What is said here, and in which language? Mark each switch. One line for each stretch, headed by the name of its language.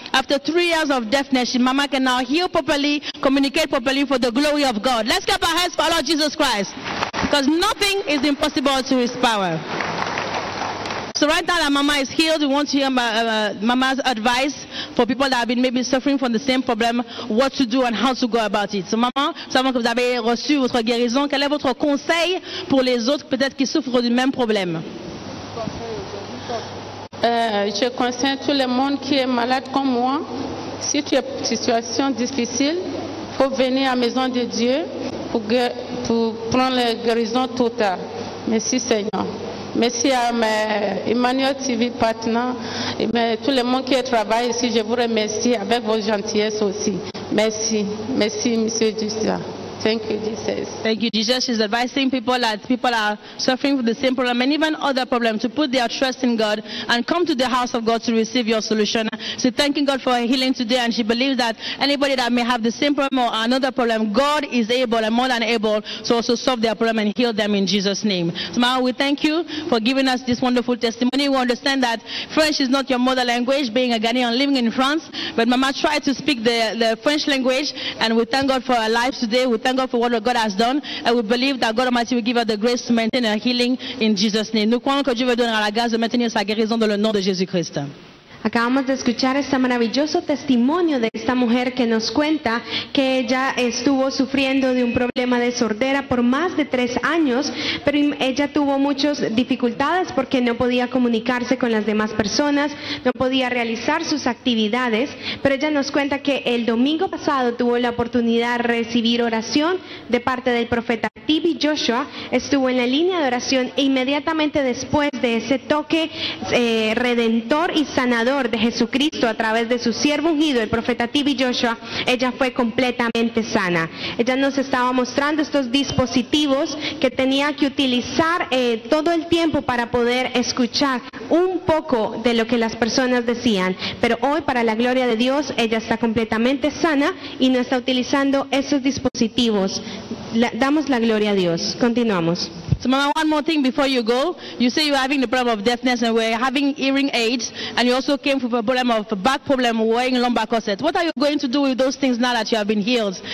English: After 3 years of deafness, Mama can now heal properly, communicate properly for the glory of God. Let's clap our hands for our Lord Jesus Christ. Because nothing is impossible to his power. So right now that Mama is healed, we want to hear Mama's advice for people that have been maybe suffering from the same problem, what to do and how to go about it.
French: So Mama, savant que vous avez reçu votre guérison, quel est votre conseil pour les autres peut-être qui souffrent du même problème? Je conseille tout le monde qui est malade comme moi. Si tu as une situation difficile, il faut venir à la maison de Dieu pour prendre la guérison totale. Merci Seigneur. Merci à Emmanuel TV partenaire et mais tout le monde qui travaille ici, je vous remercie avec vos gentillesses aussi. Merci. Merci, Monsieur Justin.
English: Thank you, Jesus. Thank you, Jesus. She's advising people that people are suffering with the same problem and even other problems to put their trust in God and come to the house of God to receive your solution. So thanking God for her healing today, and she believes that anybody that may have the same problem or another problem, God is able and more than able to also solve their problem and heal them in Jesus' name. So Mama, we thank you for giving us this wonderful testimony. We understand that French is not your mother language, being a Ghanaian living in France, but Mama tried to speak the French language, and we thank God for her life today. We thank God for what God has done, and we believe that God Almighty will give her the grace to maintain her healing in Jesus' name.
French: Nous croyons que Dieu va donner la grâce de maintenir sa guérison dans le nom de Jésus Christ.
Spanish: Acabamos de escuchar este maravilloso testimonio de esta mujer que nos cuenta que ella estuvo sufriendo de un problema de sordera por más de 3 años, pero ella tuvo muchas dificultades porque no podía comunicarse con las demás personas, no podía realizar sus actividades, pero ella nos cuenta que el domingo pasado tuvo la oportunidad de recibir oración de parte del profeta T.B. Joshua, estuvo en la línea de oración e inmediatamente después de ese toque redentor y sanador de Jesucristo a través de su siervo ungido, el profeta T.B. Joshua, ella fue completamente sana. Ella nos estaba mostrando estos dispositivos que tenía que utilizar todo el tiempo para poder escuchar un poco de lo que las personas decían, pero hoy, para la gloria de Dios, ella está completamente sana y no está utilizando esos dispositivos. Damos la gloria a Dios. Continuamos.
English: So, Mama, one more thing before you go. You say you're having the problem of deafness and we're having hearing aids, and you also came with a problem of a back problem, wearing lumbar corset. What are you going to do with those things now that you have been healed?